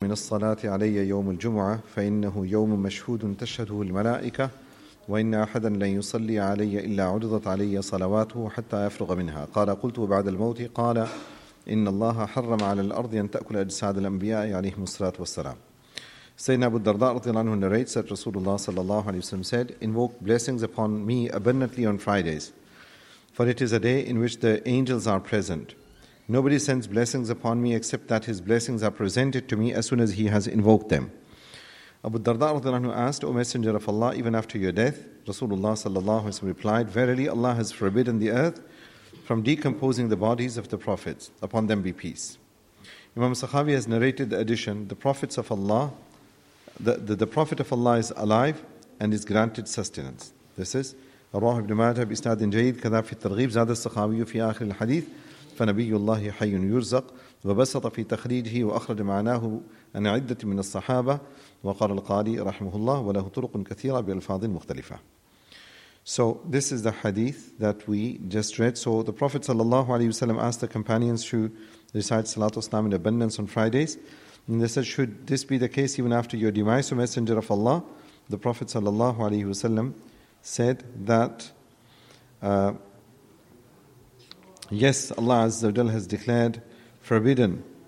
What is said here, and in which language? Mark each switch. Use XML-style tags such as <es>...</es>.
<ar>من الصلاة علي يوم الجمعة فإنه يوم مشهود تشهده الملائكة، وإن أحدا لن يصلي علي إلا عرضت علي صلواته حتى يفرغ منها. قال: قلت بعد الموت؟ قال: إن الله حرم على الأرض أن تأكل أجساد الأنبياء عليهم الصلاة والسلام. سيدنا أبو الدرداء رضي الله عنه</ar> <en>narrates that Rasulullah</en> <ar>صلى الله عليه وسلم</ar> <en>said, invoke blessings upon me abundantly on Fridays, for it is a day in which the angels are present. Nobody sends blessings upon me except that his blessings are presented to me as soon as he has invoked them. Abu Darda</en> <ar>رضي الله عنه</ar> <en>asked, O Messenger of Allah, even after your death? Rasulullah</en> <ar>صلى الله عليه وسلم</ar> <en>replied, Verily Allah has forbidden the earth from decomposing the bodies of the prophets. Upon them be peace. Imam Sakhawi has narrated the addition, the prophets of Allah, the prophet of Allah is alive and is granted sustenance. This is</en> <ar>رواه ابن ماجه بإسناد جيد كذا في الترغيب زاد السخاوي في آخر الحديث فنبي الله حي يرزق وبسط في تخريجه وأخرج معناه أن عدة من الصحابة وقال القاضي رحمه الله وله طرق كثيرة بألفاظ مختلفة.</ar> <en>So this is the hadith that we just read. So the Prophet sallallahu alaihi wasallam asked the companions to recite Salatul Salam in abundance on Fridays. And they said, should this be the case even after your demise, O Messenger of Allah? The Prophet sallallahu alaihi wasallam said that yes, Allah Azza wa Jal has declared forbidden.</en>